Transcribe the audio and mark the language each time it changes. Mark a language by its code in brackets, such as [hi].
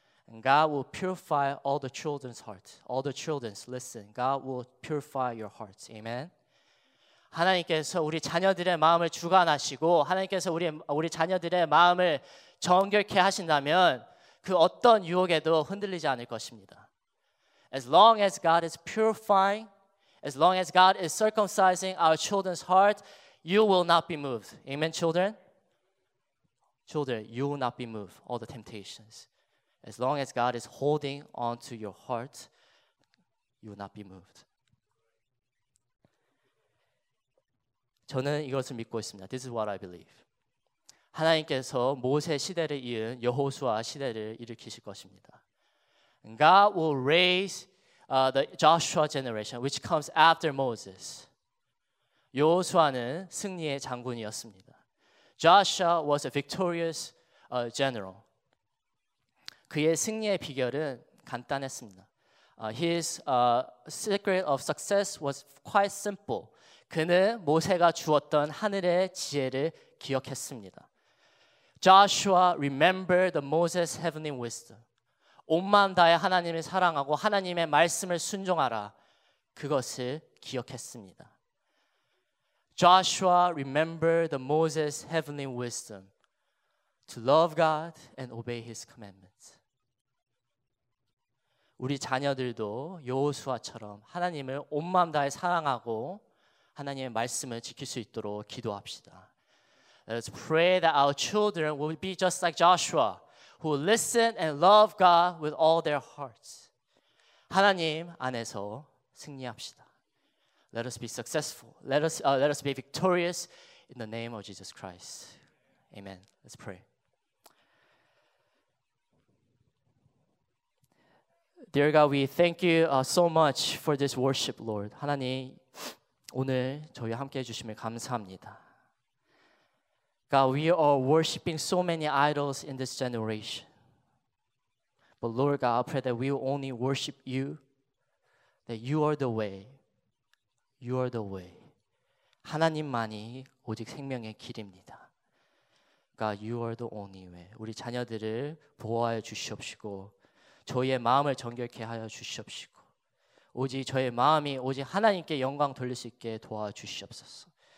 [en] And God will purify all the children's hearts. All the children's, listen. God will purify your hearts. Amen. [ko] 하나님께서 우리 자녀들의 마음을 주관하시고 하나님께서 우리 자녀들의 마음을 정결케 하신다면 그 어떤 유혹에도 흔들리지 않을 것입니다. [en] As long as God is purifying, as long as God is circumcising our children's heart, you will not be moved. Amen, children? Children, you will not be moved. All the temptations. As long as God is holding on to your heart, you will not be moved. [ko] 저는 이것을 믿고 있습니다. [en] This is what I believe. [ko] 하나님께서 모세 시대를 이은 여호수아 시대를 일으키실 것입니다. [en] God will raise the Joshua generation, which comes after Moses. [ko] 여호수아는 승리의 장군이었습니다. [en] Joshua was a victorious general. [ko] 그의 승리의 비결은 간단했습니다. [en] His secret of success was quite simple. [ko] 그는 모세가 주었던 하늘의 지혜를 기억했습니다. [en] Joshua remembered the Moses' heavenly wisdom. [ko] 온 마음 다해 하나님을 사랑하고 하나님의 말씀을 순종하라. 그것을 기억했습니다. [en] Joshua remembered the Moses' heavenly wisdom to love God and obey his commandments. [ko] 우리 자녀들도 여호수아처럼 하나님을 온 마음 다해 사랑하고 하나님의 말씀을 지킬 수 있도록 기도합시다. [en] Let's pray that our children will be just like Joshua, who listen and love God with all their hearts. [ko] 하나님 안에서 승리합시다. [en] Let us be successful. Let us be victorious in the name of Jesus Christ. Amen. Let's pray. Dear God, we thank you so much for this worship, Lord. [ko] 하나님, 오늘 저희 함께 해주심을 감사합니다. [en] God, we are worshiping so many idols in this generation. But Lord God, I pray that we will only worship you, that you are the way. You are the way. [ko] 하나님만이 오직 생명의 길입니다. [en] God, you are the only way. [ko] 우리 자녀들을 보호하여 주시옵시고 저희의 마음을 정결케 하여 주시옵시고 오직 저희의 마음이 오직 하나님께 영광 돌릴 수 있게 도와주시옵소서.